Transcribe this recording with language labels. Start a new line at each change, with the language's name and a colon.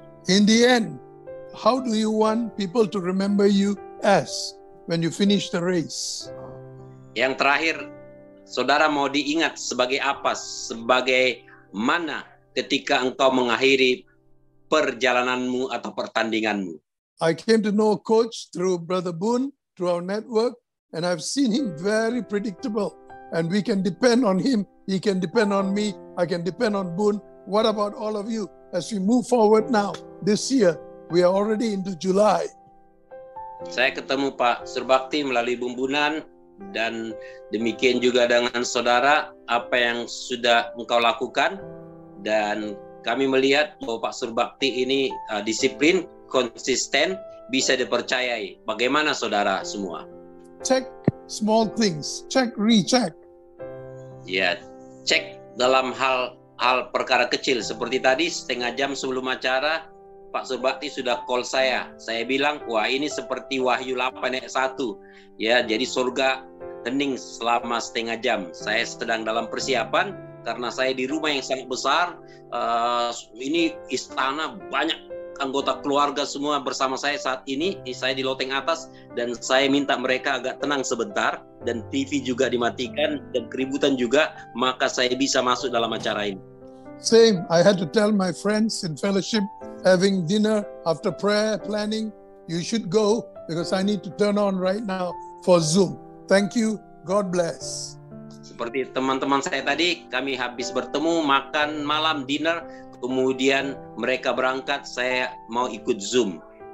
English: In the end, how do you want people to remember you as when you finish the race?
Indonesian: Yang terakhir, saudara mau diingat sebagai apa, sebagai mana ketika engkau mengakhiri perjalananmu atau pertandinganmu?
English: I came to know Coach through Brother Boone, through our network, and I've seen him very predictable. And we can depend on him, he can depend on me, I can depend on Boone. What about all of you as we move forward now, this year? We are already into July.
Indonesian: Saya ketemu Pak Surbakti melalui Bumbunan, dan demikian juga dengan saudara, apa yang sudah engkau lakukan. Dan kami melihat bahwa Pak Surbakti ini disiplin, konsisten, bisa dipercayai. Bagaimana saudara semua?
English: Check small things. Check, recheck.
Indonesian: Ya, check dalam hal perkara kecil. Seperti tadi, setengah jam sebelum acara, Pak Surbakti sudah call saya. Saya bilang, wah ini seperti Wahyu 8:1. Ya, jadi surga hening selama setengah jam. Saya sedang dalam persiapan karena saya di rumah yang sangat besar. Ini istana, banyak anggota keluarga semua bersama saya saat ini. Saya di loteng atas dan saya minta mereka agak tenang sebentar. Dan TV juga dimatikan dan keributan juga. Maka saya bisa masuk dalam acara ini.
English: Same, I had to tell my friends in fellowship, having dinner after prayer planning, you should go because I need to turn on right now for Zoom. Thank you, God bless.
Indonesian: Seperti teman-teman saya tadi, kami habis bertemu, makan malam, dinner, kemudian mereka berangkat, saya mau ikut Zoom.